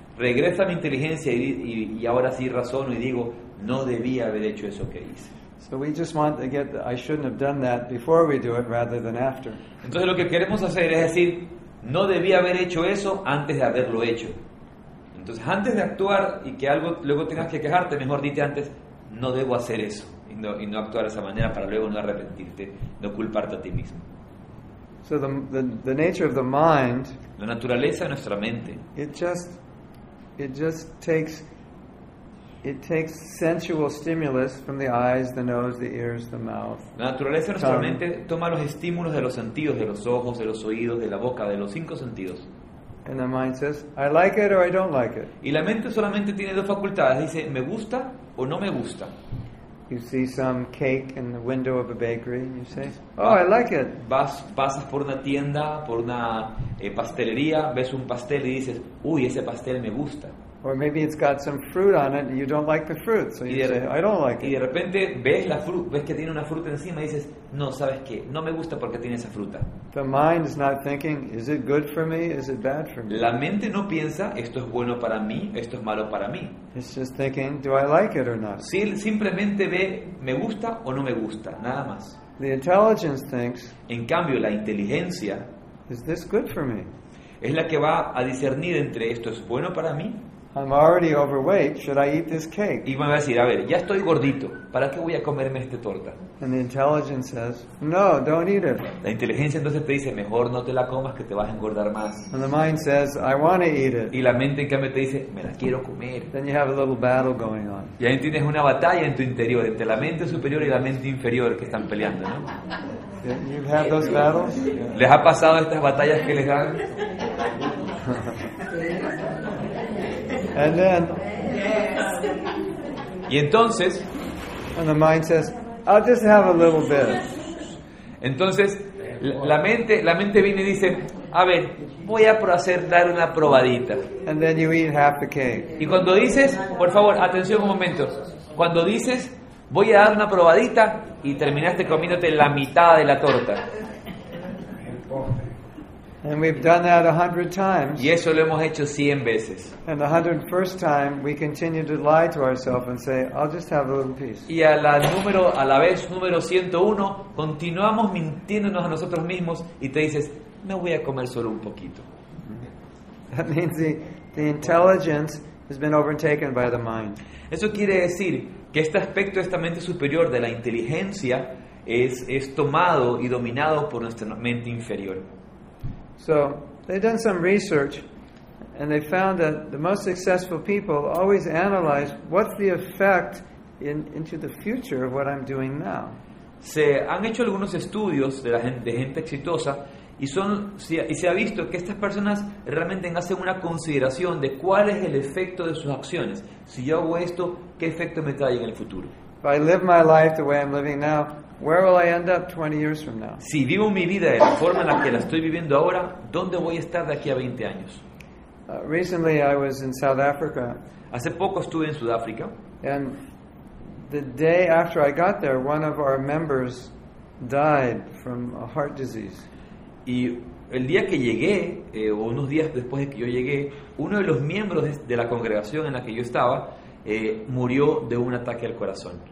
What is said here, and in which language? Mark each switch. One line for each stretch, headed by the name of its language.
Spanish: Regresa a mi inteligencia y ahora sí razono y digo no debía haber hecho eso que hice.
English: So we just want to get I shouldn't have done that before we do it rather than after.
Spanish: Entonces lo que queremos hacer es decir no debía haber hecho eso antes de haberlo hecho. Entonces, antes de actuar y que algo luego tengas que quejarte, mejor dite antes, no debo hacer eso y no actuar de esa manera para luego no arrepentirte, no culparte a ti mismo.
English: So the nature of the mind,
Spanish: la naturaleza de nuestra mente,
English: it just takes It takes sensual stimulus from the eyes, the nose, the ears, the mouth.
Spanish: La naturaleza de nuestra mente toma los estímulos de los sentidos, de los ojos, de los oídos, de la boca, de los cinco sentidos.
English: And the mind says, I like it or I don't like it.
Spanish: Y la mente solamente tiene dos facultades, dice, me gusta o no me gusta.
English: You see some cake in the window of a bakery and you say, oh, I like it.
Spanish: Pasas por una tienda, por una pastelería, ves un pastel y dices, uy, ese pastel me gusta.
English: Or maybe it's got some fruit on it and you don't like the fruit, so you say, I don't like it.
Spanish: Y de repente ves la fruta, ves que tiene una fruta encima y dices, no, ¿sabes qué? No me gusta porque tiene esa fruta.
English: The mind is not thinking, is it good for me? Is it bad for me?
Spanish: La mente no piensa, esto es bueno para mí, esto es malo para mí.
English: It's just thinking, do I like it or not?
Spanish: Simplemente ve, me gusta o no me gusta, nada más.
English: The intelligence thinks,
Spanish: en cambio, la inteligencia,
English: is this good for me?
Spanish: Es la que va a discernir entre esto es bueno para mí.
English: I'm already overweight. Should I eat this cake?
Spanish: Y me va a decir, a ver, ya estoy gordito. ¿Para qué voy a comerme esta torta?
English: And the intelligence says, no, don't eat it.
Spanish: La inteligencia entonces te dice, mejor no te la comas, que te vas a engordar más.
English: And the mind says, I want to eat it.
Spanish: Y la mente en cambio te dice, me la quiero comer.
English: Then you have a little battle going on.
Spanish: Y ahí tienes una batalla en tu interior entre la mente superior y la mente inferior que están peleando, ¿no?
English: You have those battles?
Spanish: ¿Les ha pasado estas batallas que les dan?
English: And then,
Spanish: y entonces,
English: and the mind says, I'll just have a little bit.
Spanish: Entonces, la mente viene y dice, a ver, voy a dar una probadita.
English: And then you eat half the cake.
Spanish: Y cuando dices, por favor, atención un momento, cuando dices, voy a dar una probadita, y terminaste comiéndote la mitad de la torta.
English: And we've done that 100 times.
Spanish: Y eso lo hemos hecho 100 veces.
English: And the 101st time, we continue to lie to ourselves and say, "I'll just have a little piece."
Spanish: Y a la vez número 101, continuamos mintiéndonos a nosotros mismos y te dices, "Me voy a comer solo un poquito."
English: That means the intelligence has been overtaken by the mind.
Spanish: Eso quiere decir que este aspecto de esta mente superior de la inteligencia es tomado y dominado por nuestra mente inferior.
English: So they've done some research, and they found that the most successful people always analyze what's the effect into the future of what I'm doing now.
Spanish: Se han hecho algunos estudios de gente exitosa, y se ha visto que estas personas realmente hacen una consideración de cuál es el efecto de sus acciones. Si yo hago esto, ¿qué efecto me trae en el futuro?
English: If I live my life the way I'm living now, where will I end up 20 years from now?
Spanish: Si vivo mi vida de la forma en la que la estoy viviendo ahora, ¿dónde voy a estar de aquí a 20 años?
English: Recently I was in South Africa.
Spanish: Hace poco estuve en Sudáfrica.
English: And the day after I got there, one of our members died from a heart disease.
Spanish: Y el día que llegué, o unos días después de que yo llegué, uno de los miembros de la congregación en la que yo estaba murió de un ataque al corazón.